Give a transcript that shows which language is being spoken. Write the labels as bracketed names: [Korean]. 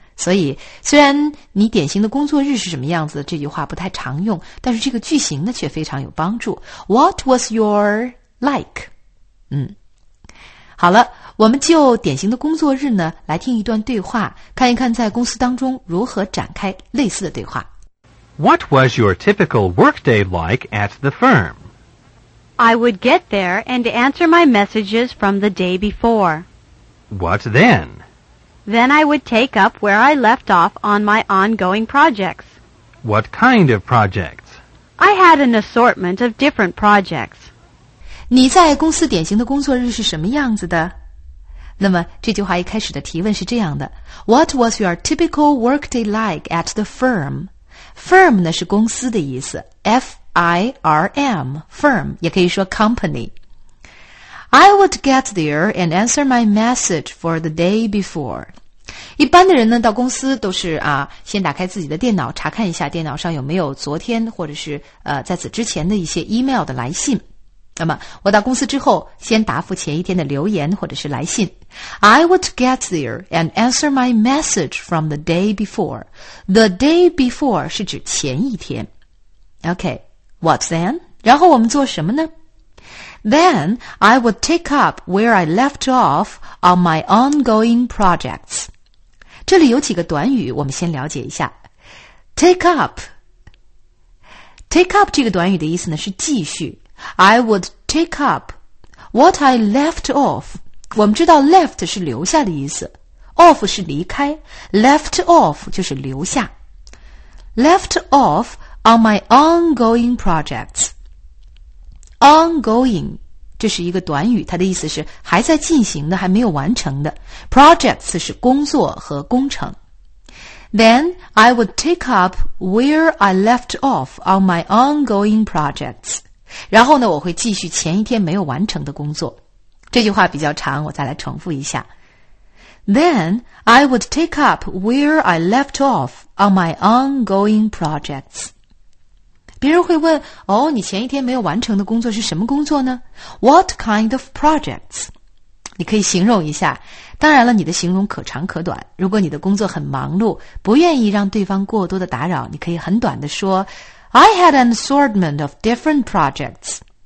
[Chinese] 所以虽然你典型的工作日是什么样子这句话不太常用，但是这个句型呢却非常有帮助。 [English] What was your like? [Chinese] 好了，我们就典型的工作日呢来听一段对话，看一看在公司当中如何展开类似的对话。 [English] What was your typical workday like at the firm? I would get there and answer my messages from the day before. What then? Then I would take up where I left off on my ongoing projects. What kind of projects? I had an assortment of different projects. [Chinese] 你在公司典型的工作日是什么样子的？那么这句话一开始的提问是这样的 [English] What was your typical workday like at the firm? [Chinese] Firm 呢是公司的意思 F-I-R-M Firm 也可以说 company。 [English] I would get there and answer my message for the day before. [Chinese] 一般的人呢到公司都是啊先打开自己的电脑查看一下电脑上有没有昨天或者是在此之前的一些 email 的来信。那么我到公司之后先答复前一天的留言或者是来信。 [English] I would get there and answer my message from the day before. The day before [Chinese] 是指前一天。 [English] Okay, what then? [Chinese] 然后我们做什么呢？ [English] Then, I would take up where I left off on my ongoing projects. [Chinese] 这里有几个短语我们先了解一下。 Take up. Take up 这个短语的意思呢是继续。 [English] I would take up what I left off. [Chinese] 我们知道 left 是留下的意思。Off 是离开。 [English] Left off [Chinese] 就是留下。 [English] Left off on my ongoing projects. [Chinese] Ongoing, 这是一个短语，它的意思是还在进行的，还没有完成的。 Projects 是工作和工程。 [English] Then, I would take up where I left off on my ongoing projects. [Chinese] 然后呢，我会继续前一天没有完成的工作。这句话比较长，我再来重复一下。 [English] Then, I would take up where I left off on my ongoing projects. [Chinese] 别人会问，哦，你前一天没有完成的工作是什么工作呢？ [English] What kind of projects? [Chinese] 你可以形容一下，当然了，你的形容可长可短。如果你的工作很忙碌，不愿意让对方过多的打扰，你可以很短的说 [English] I had an assortment of different projects.